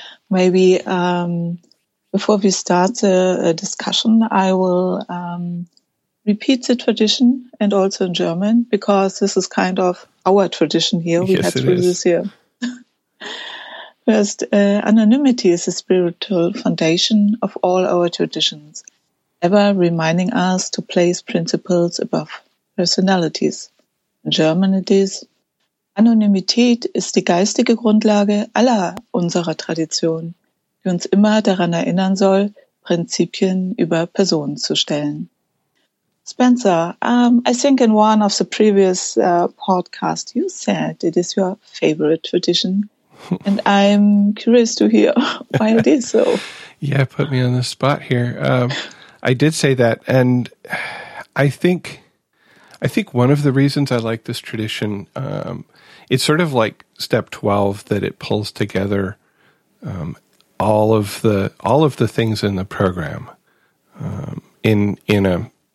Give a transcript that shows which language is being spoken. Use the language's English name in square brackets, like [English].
[English] Maybe before we start a discussion, I will repeat the tradition and also in German, because this is kind of our tradition here. We had through this year. First, anonymity is the spiritual foundation of all our traditions, ever reminding us to place principles above personalities. In German it is, [German] Anonymität ist die geistige Grundlage aller unserer Tradition, die uns immer daran erinnern soll, Prinzipien über Personen zu stellen. [English] Spencer, I think in one of the previous podcasts you said it is your favorite tradition. And I'm curious to hear why it is so. Yeah, put me on the spot here. I did say that, and I think one of the reasons I like this tradition, it's sort of like step 12, that it pulls together all of the things in the program in a